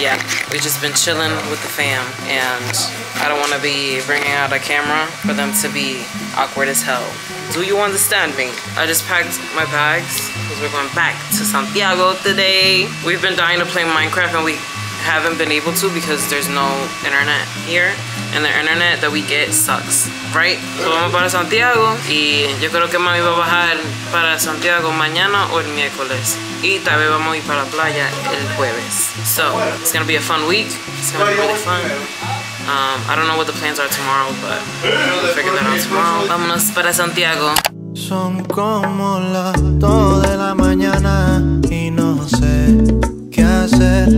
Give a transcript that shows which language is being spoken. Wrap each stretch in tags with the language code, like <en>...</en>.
<en>Yeah, we've just been chilling with the fam. And I don't want to be bringing out a camera for them to be awkward as hell. Do you understand me? I just packed my bags because we're going back to Santiago today. We've been dying to play Minecraft and we haven't been able to because there's no internet here. And the internet that we get sucks, right?</en> <es>So vamos para Santiago y yo creo que mami va a bajar para Santiago mañana o el miércoles. Y tal vez vamos a ir para la playa el jueves.</es> <en>So it's gonna be a fun week. It's gonna be really fun. I don't know what the plans are tomorrow, but we'll figure that out tomorrow.</en> <es>Vámonos para Santiago. Son como las 2 de la mañana y no sé qué hacer.</es>